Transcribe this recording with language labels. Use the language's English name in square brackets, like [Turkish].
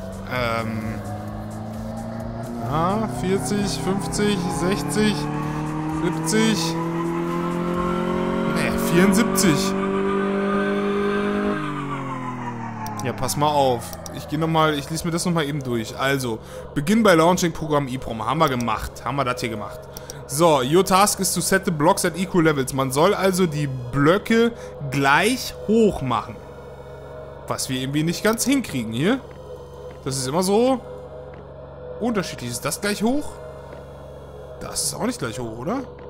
[German] Ja, 40, 50, 60, 70. Ne, 74. Ja, pass mal auf. Ich lese mir das nochmal eben durch. Also, Beginn bei Launching Programm EEPROM. Haben wir gemacht. Haben wir das hier gemacht. [English] So, your task is to set the blocks at equal levels. [German] Man soll also die Blöcke gleich hoch machen. Was wir irgendwie nicht ganz hinkriegen hier. Das ist immer so unterschiedlich. Ist das gleich hoch? Das ist auch nicht gleich hoch, oder?